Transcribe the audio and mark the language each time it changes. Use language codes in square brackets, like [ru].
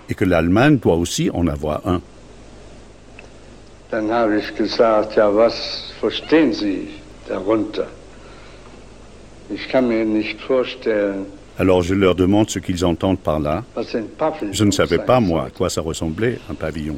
[fr] Et que l'Allemagne doit aussi en avoir un. [de] Dann habe ich gesagt, ja, was verstehen Sie darunter? Ich kann mir nicht vorstellen. [fr] Alors je leur demande ce qu'ils entendent par là. [de] Was ein Pavillon, [fr] je ne savais pas, moi, à quoi ça ressemblait, un pavillon.